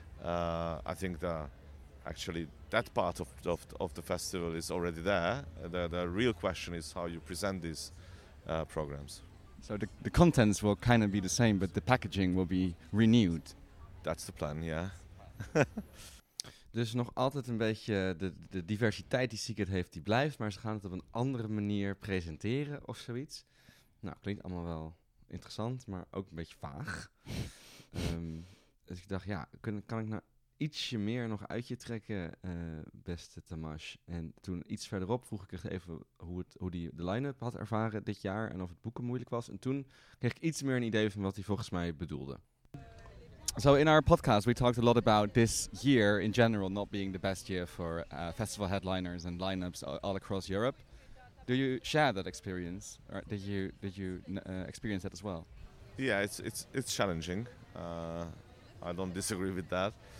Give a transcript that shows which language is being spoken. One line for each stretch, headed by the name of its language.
English: I think that actually that part of the festival is already there. The real question is how you present these programs. So the contents will kind of be the same, but the packaging will be renewed. That's the plan, yeah.
Dutch: Dus nog altijd een beetje de diversiteit die Secret heeft, die blijft. Maar ze gaan het op een andere manier presenteren of zoiets. Nou, klinkt allemaal wel interessant, maar ook een beetje vaag. Dus ik dacht, ja, kan ik nou ietsje meer nog uit je trekken, beste Tamash? En toen iets verderop vroeg ik echt even hoe die de line-up had ervaren dit jaar en of het boeken moeilijk was. En toen kreeg ik iets meer een idee van wat hij volgens mij bedoelde.
English: So in our podcast, we talked a lot about this year in general not being the best year for festival headliners and lineups all across Europe. Do you share that experience, or did you experience that as well? Yeah, it's challenging. I don't disagree with that.